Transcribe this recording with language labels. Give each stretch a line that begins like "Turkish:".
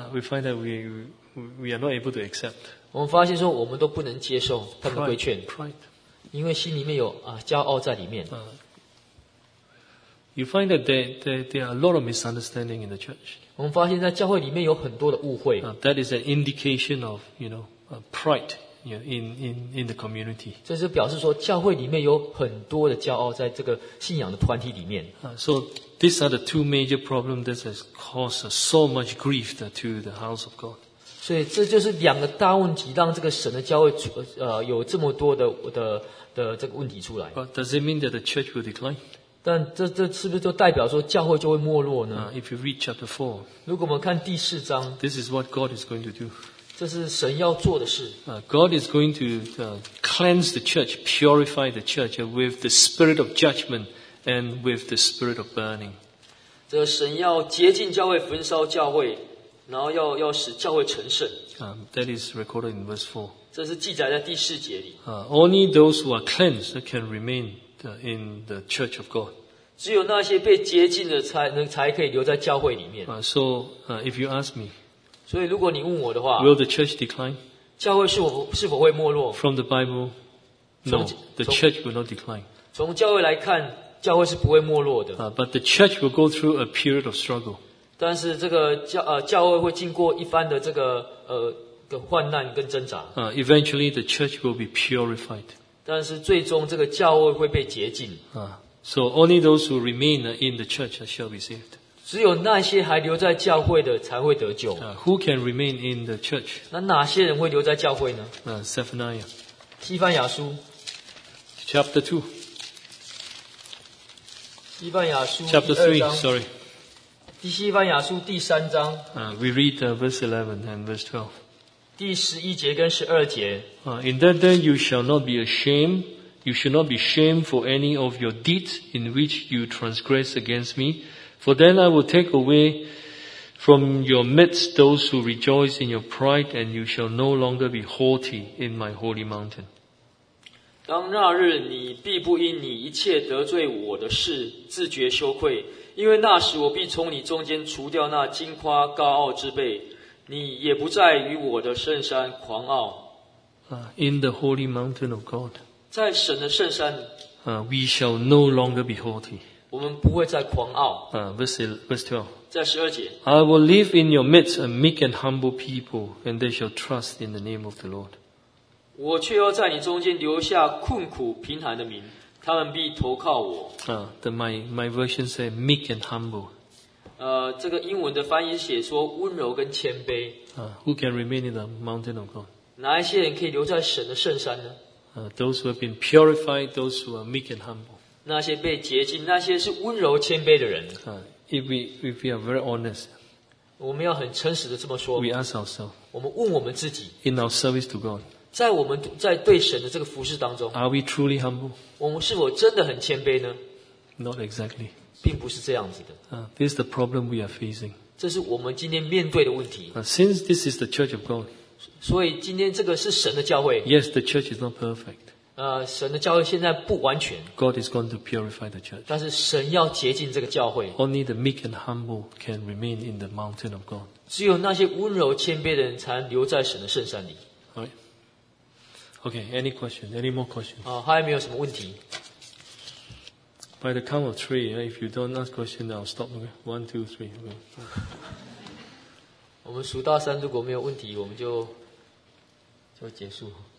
English: We find that we are not able to accept.
Chinese: 我们发现说我们都不能接受他们规劝。
English: Pride.
Chinese: 因为心里面有骄傲在里面。
English: You find that there are a lot of misunderstanding in the church.
Chinese: 我们发现在教会里面有很多的误会。
English: That is an indication of, you know, pride, you know, in the community.
Chinese: 这是表示说教会里面有很多的骄傲在这个信仰的团体里面。
English: So these are the two major problems that has caused so much grief to the house of God.
Chinese: 所以这就是两个大问题，让这个神的教会有这么多的这个问题出来。
English: But does it mean that the church will decline?
Chinese: 但 这是不是就代表说教会就会没落呢
English: ？If you read chapter four,
Chinese: 如果我们看第四章
English: ，This is what God is going to do.
Chinese: 这是神要做的事。
English: God is going to cleanse the church, purify the church with the spirit of judgment and with the spirit of burning.
Chinese: 这神要洁净教会，焚烧教会，然后要使教会成圣。
English: That is recorded in verse four.
Chinese: 这是记载在第四节里。
English: Only those who are cleansed can remain. In the church of God.
Chinese: 只有那些被洁净的才可以留在教会里面。
English: If you ask me,
Chinese: 所以如果你问我的话
English: ，Will the church decline?
Chinese: 教会是否会没落
English: ？From the Bible, no. The church will not decline.
Chinese: 从教会来看，教会是不会没落的。
English: But the church will go through a period of struggle.
Chinese: 但是这个教会会经过一番的这个的患难跟挣扎。
English: Eventually, the church will be purified.
Chinese: 但是最终这个教会会被洁净。
English: So only those who remain in the church shall be saved.
Chinese: 只有那些还留在教会的才会得救。
English: Who can remain in the church?
Chinese: 那哪些人会留在教会呢？
English: Zephaniah.
Chinese: 西番雅书。
English: Chapter 2.
Chinese: 西番雅书。
English: Chapter 3, sorry.
Chinese: 西番雅书第三章。
English: We read verse 11 and verse 12.
Chinese: 第十一节跟十二节。
English: In that day you shall not be ashamed, you shall not be shamed for any of your deeds in which you transgress against me, for then I will take away from your midst those who rejoice in your pride, and you shall no longer be haughty in my holy mountain.
Chinese: 当那日你必不因你一切得罪我的事自觉羞愧，因为那时我必从你中间除掉那矜夸高傲之辈。你也不再与我的圣山狂傲。
English: In the holy mountain of God.
Chinese: 在神的圣山。
English: We shall no longer be haughty.
Chinese: 我们不会再狂傲。
English: Verse 12.
Chinese: 在十二节。
English: I will live in your midst a meek and humble people, and they shall trust in the name of the Lord.
Chinese: 我却要在你中间留下困苦贫寒的民，他们必投靠我。
English: My version says meek and humble.
Chinese: 这个英文的翻译写说温柔跟谦卑。
English: Who can remain in the mountain of God?
Chinese: 哪一些人可以留在神的圣山呢？
English: Those who have been purified, those who are meek and humble.
Chinese: 那些被洁净，那些是温柔谦卑的人。
English: If we are very honest,
Chinese: 我们要很诚实的这么说。
English: We ask ourselves.
Chinese: 我们问我们自己。
English: In our service to God.
Chinese: 在我们在对神的这个服事当中。
English: Are we truly humble?
Chinese: 我们是否真的很谦卑呢？
English: Not exactly.
Chinese: 并不是这样子的。
English: This is the problem we are facing.
Chinese: 这是我们今天面对的问题。
English: Since this is the church of God,
Chinese: 所以今天这个是神的教会。
English: Yes, the church is not perfect.
Chinese: 神的教会现在不完全。
English: God is going to purify the church.
Chinese: 但是神要洁净这个教会。
English: Only the meek and humble can remain in the mountain of God.
Chinese: 只有那些温柔谦卑的人才留在神的圣山里。
English: Alright. Okay. Any question? Any more questions?
Chinese: 还没有什么问题。
English: By the count of three, if you don't ask questions, I'll stop. Okay? One, two, three. Okay.
Chinese: 我们数到三，如果没有问题，我们就结束。